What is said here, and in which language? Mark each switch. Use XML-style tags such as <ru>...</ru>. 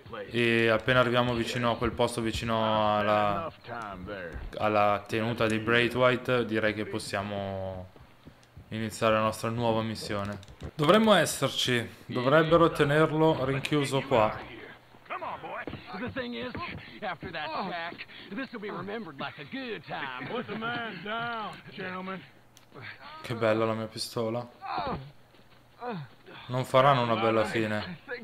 <it>E appena arriviamo vicino a quel posto, vicino alla tenuta di Braithwaite, direi che possiamo iniziare la nostra nuova missione. Dovremmo esserci. Dovrebbero tenerlo rinchiuso qua.</it> <en>The thing is, after that attack, this will be remembered like a good time. Put the man down, gentlemen.</en> <it>Che bella la mia pistola. Non faranno una bella fine.</it>